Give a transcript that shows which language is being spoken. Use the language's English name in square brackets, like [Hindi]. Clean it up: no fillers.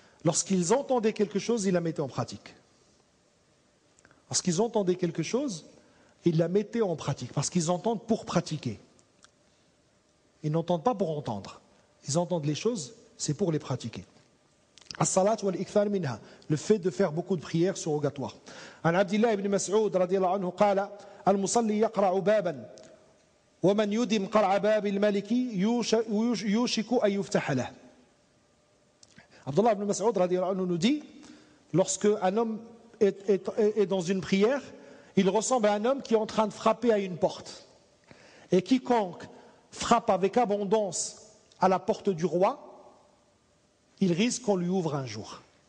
[French] Lorsqu'ils entendaient quelque chose, ils la mettaient en pratique. Lorsqu'ils entendaient quelque chose, ils la mettaient en pratique. Parce qu'ils entendent pour pratiquer. Ils n'entendent pas pour entendre. Ils entendent les choses, c'est pour les pratiquer. [Arabic] As-salat wal-ikthar minha. [French] Le fait de faire beaucoup de prières surrogatoires. [Arabic] An Abdillah ibn Mas'ud radiallahu anhu qala, al-musalli yaqra'u baban. ومن يدم قرع باب الملك يوشك أن يفتح له. [French] Abdullah ibn Mas'ud radiallahu anhu nous dit, lorsque un homme est dans une prière, il ressemble à un homme qui est en train de frapper à une porte. Et quiconque frappe avec abondance à la porte du roi, il risque qu'on lui ouvre un jour.